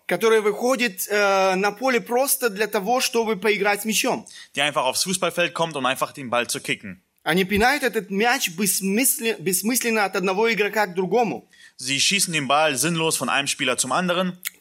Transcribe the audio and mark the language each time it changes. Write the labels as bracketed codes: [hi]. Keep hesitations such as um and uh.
[ru] которая выходит äh, на поле просто для того, чтобы поиграть с [de] Die einfach aufs Fußballfeld kommt, um einfach den Ball zu kicken. [ru] Они пинают этот мяч бессмысленно, бессмысленно от одного игрока к другому. [de] Sie schießen den Ball sinnlos von einem Spieler zum anderen.